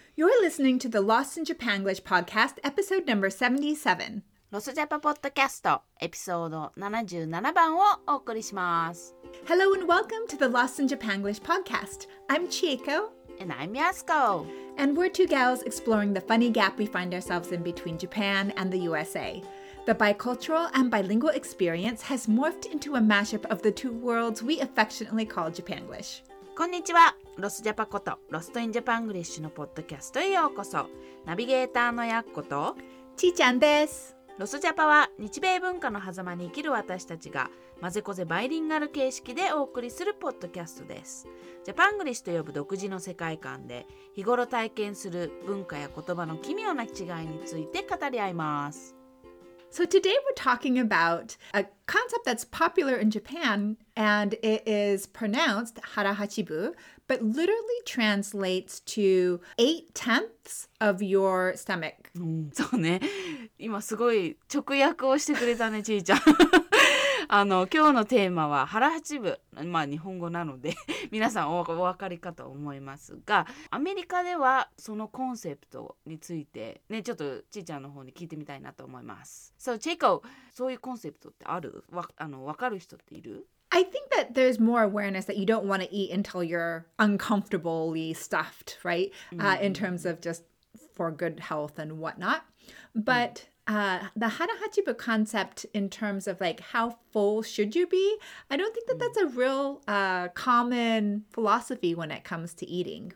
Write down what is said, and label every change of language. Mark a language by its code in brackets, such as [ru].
[en] You're listening to the Lost in Japanglish podcast, episode number 77. [ja] ロスジャパポッドキャストエピソード77番をお送りします。 [en] Hello and welcome to the Lost in Japanglish podcast. I'm Chieko. And I'm Yasuko. And we're two gals exploring the funny gap we find ourselves in between Japan and the USA. The bicultural and bilingual experience has morphed into a mashup of the two worlds we affectionately call Japanglish. [ja] こんにちは。ロスジャパこと、ロストインジャパングリッシュのポッドキャストへようこそ。ナビゲーターのやっこと、ちーちゃんです。ロスジャパは、日米文化の狭間に生きる私たちが、まぜこぜバイリンガル形式でお送りするポッドキャストです。ジャパングリッシュと呼ぶ独自の世界観で、日頃体験する文化や言葉の奇妙な違いについて語り合います。 [en] So today we're talking about a concept that's popular in Japan, and it is pronounced harahachibu, but literally translates to 8/10 of your stomach. [ja] そうね。今すごい直訳をしてくれたね、ちーちゃん。今日のテーマは harahachibu。まあ日本語なので皆さんお分かりかと思いますが、アメリカではそのコンセプトについてね、ちょっとちーちゃんの方に聞いてみたいなと思います。 So Chieko, そういうコンセプトってある？分かる人っている？ [en] I think that there's more awareness that you don't want to eat until you're uncomfortably stuffed, right? In terms of just for good health and whatnot. But the harahachibu concept in terms of like how full should you be, I don't think that that's a real common philosophy when it comes to eating.